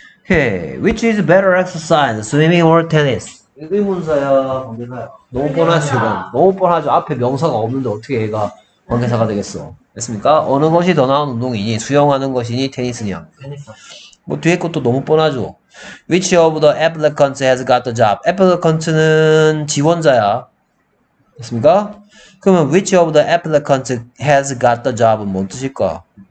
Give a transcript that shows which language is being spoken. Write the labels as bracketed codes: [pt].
[en] hey, which is better exercise, swimming or tennis? [ko] 이 문사야, 관계사야. 너무 뻔하죠, 이건. 너무 뻔하죠. 앞에 명사가 없는데 어떻게 얘가 관계사가 되겠어. 됐습니까? 어느 것이 더 나은 운동이니, 수영하는 것이니, 테니스냐. 테니스. 뭐, 뒤에 것도 너무 뻔하죠. [en] Which of the applicants has got the job? [ko] Applicant는 지원자야. 됐습니까? 그러면, [en] which of the applicants has got the job [ko] 은 뭔 뜻일까?